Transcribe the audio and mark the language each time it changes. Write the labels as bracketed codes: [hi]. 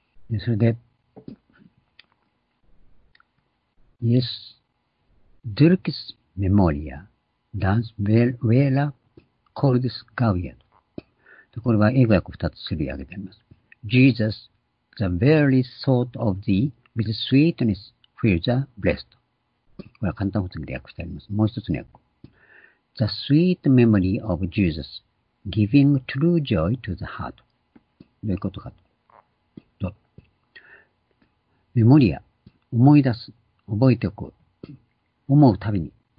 [ja] で、それで、 [la] イエス・ドゥルキス・メモリア、ダンス・ウェーラ・コルディス・ガウィア。 [ja] これは英語訳を2つすり上げています。 [en] Jesus, the very thought of thee, with sweetness, fills the breast. [ja] これは簡単に訳してあります。もう一つの訳。 [en] The sweet memory of Jesus, giving true joy to the heart. [ja] どういうことかと。メモリア、思い出す、覚えておく、思うたびに。